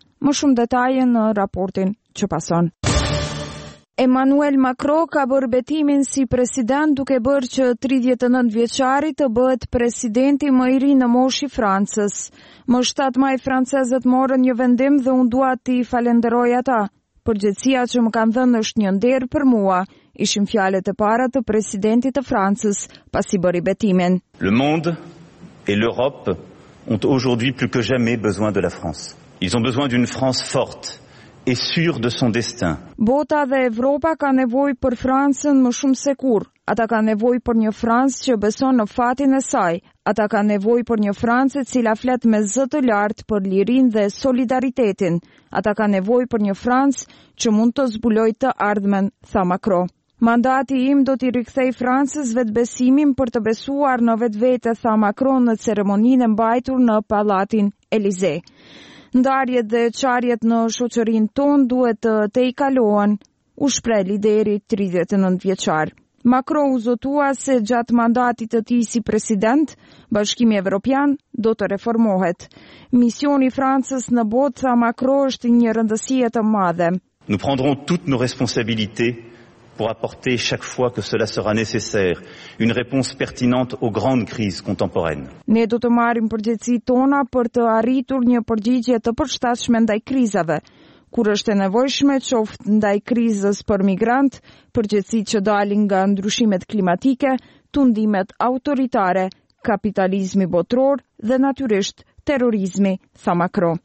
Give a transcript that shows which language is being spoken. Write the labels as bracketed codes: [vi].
[sq] Më shumë detaje në raportin që pason. Emmanuel Macron ka bërë betimin si president duke bërë që 39-vjeçari të bëhet presidenti më i ri në moshë i Francës. Më 7 maj francezët morën një vendim dhe unë dua t'i falenderoj ata. Përgjegjësia që më kanë dhënë është një nder për mua. Ishin fjalet e para të presidentit të Francës pasi bëri betimin. [fr] Le monde et l'Europe ont aujourd'hui plus que jamais besoin de la France. Ils ont besoin d'une France forte. Et sûr de son destin. [sq] Bota dhe Evropa ka nevojë për Francën më shumë se kur. Ata ka nevojë për një Francë që beson në fatin e saj. Ata ka nevojë për një Francë e cila flet me zë të lartë për lirinë dhe solidaritetin. Ata ka nevojë për një Francë që mund të zbulojë të ardhmen, tha Macron. Mandati im do t'i rikthej Francës vetbesimin për të besuar në vetvete, tha Macron në ceremoninë mbajtur në Pallatin Elysée. Ndarjet dhe qarjet në shoqërinë tonë duhet të i kalohen, u shpreh lideri 39-vjeçar. Macron u zotua se gjatë mandatit të tij si president, Bashkimi Evropian do të reformohet. Misioni Francës në botë, tha Macron, është një rëndësie të madhe. [fr] Nous prendrons toutes nos responsabilités pour apporter chaque fois que cela sera nécessaire une réponse pertinente aux grandes crises contemporaines. [sq] Ne do të marrim përgjegjësit tona për të arritur një përgjigje të përshtatshme ndaj krizave. Kur është e nevojshme, qoftë ndaj krizës për migrant, përgjegjësit që dalin nga ndryshimet klimatike, tundimet autoritare, kapitalizmi botror dhe natyrisht terrorizmi, tha Macron.